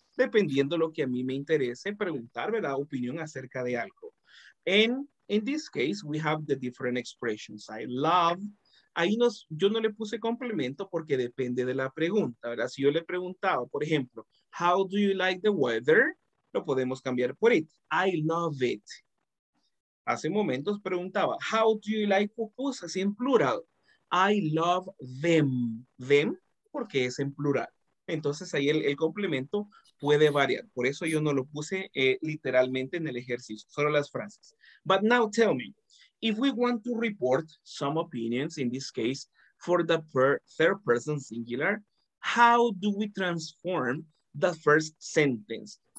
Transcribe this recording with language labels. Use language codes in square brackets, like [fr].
[es] Dependiendo lo que a mí me interese preguntar, ¿verdad? Opinión acerca de algo. [en] And in this case, we have the different expressions. I love. [es] Ahí nos, yo no le puse complemento porque depende de la pregunta, ¿verdad? Si yo le he preguntado, por ejemplo, [en] how do you like the weather? [es] Lo podemos cambiar por [en] it. I love it. [es] Hace momentos preguntaba, [en] how do you like pupusas [es] en plural? [en] I love them. Them, [es] porque es en plural. Entonces ahí el complemento puede variar. Por eso yo no lo puse literalmente en el ejercicio, solo las frases. [en] But now tell me, if we want to report some opinions in this case for the third person singular, how do we transform the first sentence?